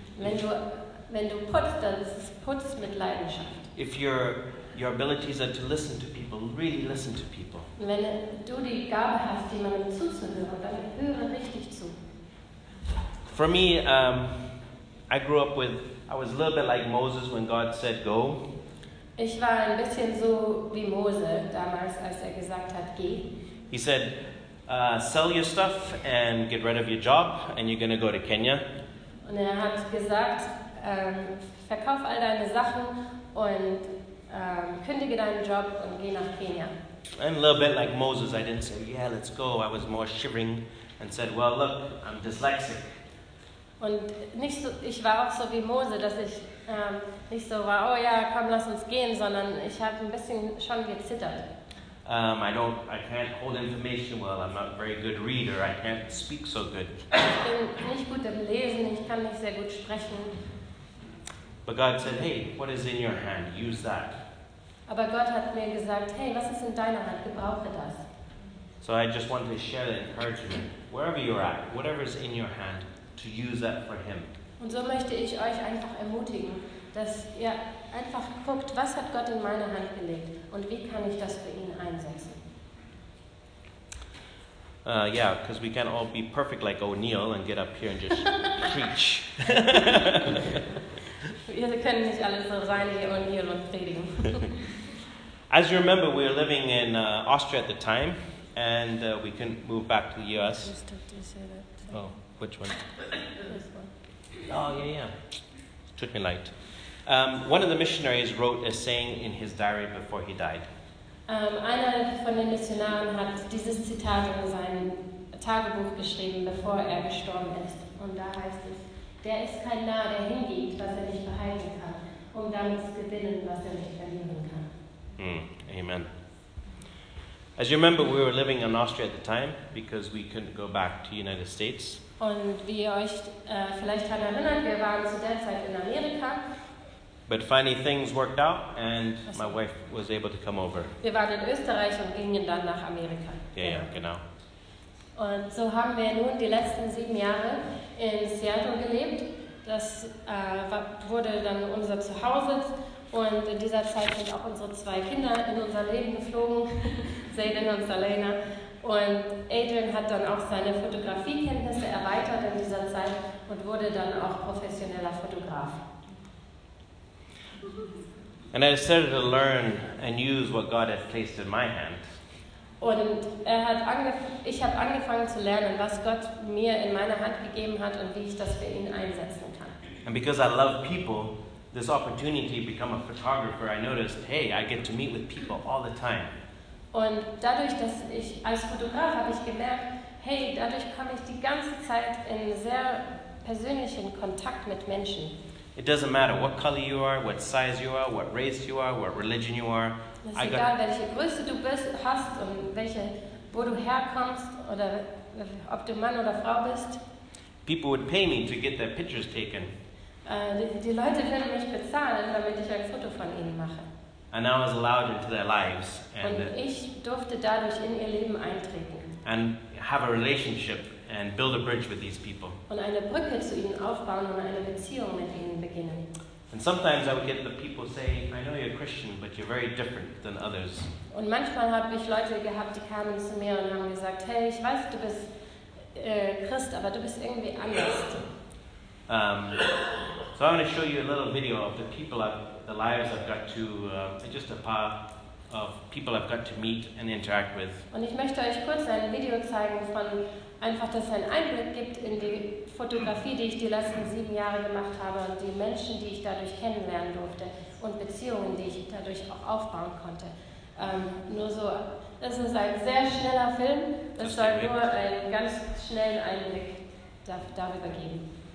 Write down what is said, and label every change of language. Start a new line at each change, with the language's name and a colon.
German: Wenn du putzt, dann putz mit Leidenschaft.
English: If your abilities are to listen to people, really listen to people.
German: Wenn du die Gabe hast, jemandem zuzuhören, dann höre richtig zu.
English: For me, I was a little bit like Moses when God said go.
German: Ich war ein bisschen so wie Mose damals, als er gesagt hat, geh.
English: He said, sell your stuff and get rid of your job and you're going to go to Kenya.
German: Und er hat gesagt, verkauf all deine Sachen und kündige deinen Job und geh nach Kenya.
English: And a little bit like Moses, I didn't say, yeah, let's go. I was more shivering and said, well, look, I'm dyslexic.
German: Und nicht so, ich war auch so wie Mose, dass ich nicht so war, oh ja, komm, lass uns gehen, sondern ich habe ein bisschen schon gezittert.
English: I can't hold information well, I'm not a very good reader, I can't speak so good.
German: Ich bin nicht gut im Lesen, ich kann nicht sehr gut sprechen.
English: But God said, hey, what is in your hand, use that.
German: Aber Gott hat mir gesagt, hey, was ist in deiner Hand, gebrauche das.
English: So I just want to share the encouragement, wherever you're at, whatever is in your hand, to use that for him.
German: Und so möchte ich euch einfach ermutigen, dass ihr einfach guckt, was hat Gott in meine Hand gelegt und wie kann ich das für ihn einsetzen.
English: Yeah, because we can all be perfect like O'Neill and get up here and just preach.
German: Wir können nicht alle so sein wie O'Neill und predigen.
English: As you remember, we were living in Austria at the time, and we couldn't move back to the U.S. Just have to say that. Oh, which one? This one. Oh, yeah, yeah. Took me light. One of the missionaries wrote a saying in his diary before he died.
German: Einer von den Missionaren hat dieses Zitat in sein Tagebuch geschrieben, bevor er gestorben ist. Und da heißt es, der ist kein Narr, der hingeht, was er nicht behalten kann, um damit zu gewinnen, was er nicht verlieren kann. Amen.
English: As you remember, we were living in Austria at the time, because we couldn't go back to the United States.
German: Und wie ihr euch vielleicht daran erinnert, wir waren zu der Zeit in Amerika.
English: But finally things worked out and my wife was able to come over.
German: Wir waren in Österreich und gingen dann nach Amerika.
English: Yeah, yeah, genau.
German: Und so haben wir nun die letzten 7 Jahre in Seattle gelebt. Das wurde dann unser Zuhause. Und in dieser Zeit sind auch unsere 2 Kinder in unser Leben geflogen, Zayden und Selena. Und Adrian hat dann auch seine Fotografiekenntnisse erweitert in dieser Zeit und wurde dann auch professioneller Fotograf.
English: And I started to learn and use what God had placed in my hand.
German: Und ich habe angefangen zu lernen, was Gott mir in meine Hand gegeben hat und wie ich das für ihn einsetzen kann.
English: And because I love people, this opportunity to become a photographer, I noticed, hey, I get to meet with people all the time.
German: Und dadurch, dass ich als Fotograf habe ich gemerkt, hey, dadurch komme ich die ganze Zeit in sehr persönlichen Kontakt mit Menschen.
English: It doesn't matter what color you are, what size you are, what race you are, what religion you are.
German: Es ist egal, welche Größe du bist, hast und welche, wo du herkommst oder ob du Mann oder Frau bist.
English: People would pay me to get their pictures taken.
German: Die Leute würden mich bezahlen, damit ich ein Foto von ihnen mache.
English: And I was allowed into their lives.
German: Und ich durfte dadurch in ihr Leben eintreten.
English: And have a relationship. And build a bridge with these people.
German: Und eine Brücke zu ihnen aufbauen und eine Beziehung mit ihnen beginnen.
English: And sometimes I would get the people say, I know you're a Christian, but you're very different than others.
German: Und manchmal habe ich Leute gehabt, die kamen zu mir und haben gesagt, hey, ich weiß, du bist Christ, aber du bist irgendwie anders.
English: So I want to show you a little video of the people, the lives I've got to, just a part of people I've got to meet and interact with.
German: Und ich möchte euch kurz ein Video zeigen von einfach, dass es einen Einblick gibt in die Fotografie, die ich die letzten 7 Jahre gemacht habe und die Menschen, die ich dadurch kennenlernen durfte und Beziehungen, die ich dadurch auch aufbauen konnte. Nur so, das ist ein sehr schneller Film, das soll nur einen ganz schnellen Einblick darüber geben.